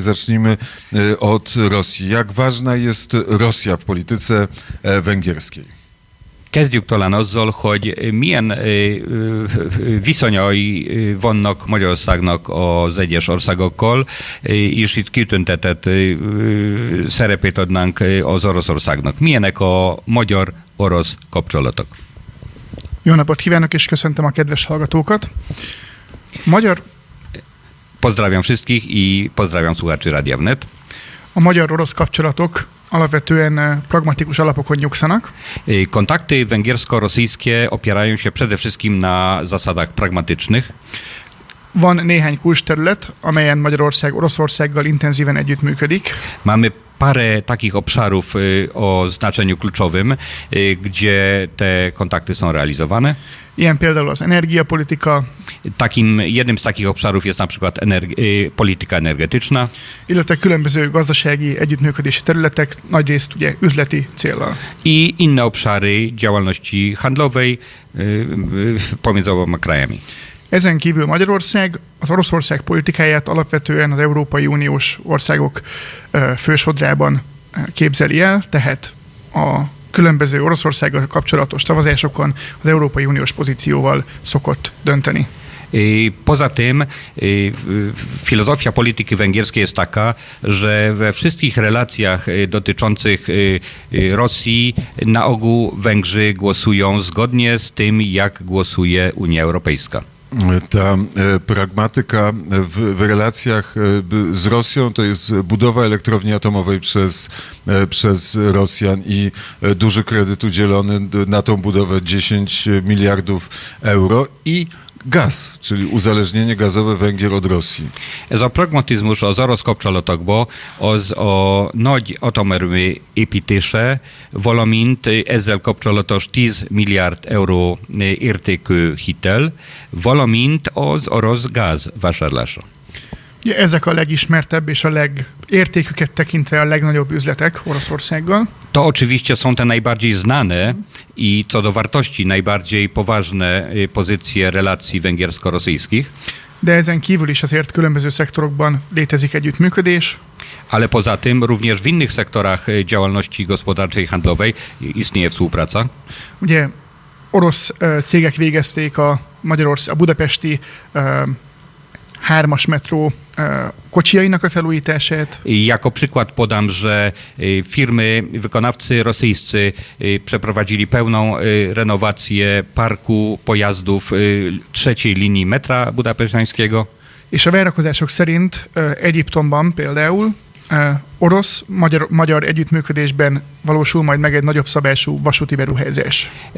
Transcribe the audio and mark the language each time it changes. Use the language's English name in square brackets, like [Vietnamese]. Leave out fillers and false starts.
[Polish] Zacznijmy od Rosji. Jak ważna jest Rosja w polityce węgierskiej? [Hungarian] Kezdjük talán azzal, hogy milyen viszonyai vannak Magyarországnak az egyes országokkal, és itt kitüntetett szerepét adnánk az Oroszországnak. Milyenek a magyar-orosz kapcsolatok? Jó napot kívánok, és köszöntöm a kedves hallgatókat. [Polish] Pozdravjam wszystkich i pozdravjam słuchaczy Radia Wnet. [Hungarian] A magyar-orosz kapcsolatok alapvetően pragmatikus alapokon nyugszanak. [Polish] Kontakty węgiersko-rosyjskie opierają się przede wszystkim na zasadach pragmatycznych. [Hungarian] Van néhány kulcsterület, amelyen Magyarország Oroszországgal intenzíven együttműködik. [Polish] Mamy parę takich obszarów o znaczeniu kluczowym, gdzie te kontakty są realizowane. [Hungarian] Ilyen például az energiapolitika. [Polish] Jednym z takich obszarów jest na przykład polityka energetyczna. [Hungarian] Illetve különböző gazdasági együttműködési területek, nagy részt ugye üzleti célra. [Polish] I inne obszary działalności handlowej pomiędzy oboma krajami. [Hungarian] Ezen kívül Magyarország az Oroszország politikáját alapvetően az Európai Uniós országok fősodrában képzeli el, tehát a különböző Oroszországgal kapcsolatos szavazásokon az Európai Uniós pozícióval szokott dönteni. [Polish] Poza tym filozofia polityki węgierskiej jest taka, że we wszystkich relacjach dotyczących Rosji na ogół Węgrzy głosują zgodnie z tym, jak głosuje Unia Europejska. Ta pragmatyka w relacjach z Rosją to jest budowa elektrowni atomowej przez Rosjan i duży kredyt udzielony na tą budowę 10 miliardów euro i gaz, czyli uzależnienie gazowe Węgier od Rosji. [Hungarian] Ez a pragmatizmus az orosz kapcsolatokba, az a nagy atomerőmű építése, valamint ezzel kapcsolatos 10 milliárd euró értékű hitel, valamint az orosz gáz vásárlása. Ja, ezek a legismertebb és a legértéküket tekintve a legnagyobb üzletek Oroszországgal. [Polish] To oczywiście są te najbardziej znane i co do wartości najbardziej poważne pozycje relacji węgiersko-rosyjskich. [Hungarian] De ezen kívül is azért különböző szektorokban létezik együttműködés. [Polish] Ale poza tym również w innych sektorach działalności gospodarczej i handlowej istnieje współpraca. [Hungarian] Ugye orosz cégek végezték a budapesti hármas metró kocsijainak a felújítását. [Polish] Jako przykład podam, że firmy, wykonawcy rosyjscy przeprowadzili pełną renowację parku pojazdów trzeciej linii metra budapesztańskiego. [Hungarian] És a várakozások szerint Egyiptomban például orosz-magyar együttműködésben valósul majd meg egy nagyobb szabású vasúti beruházás.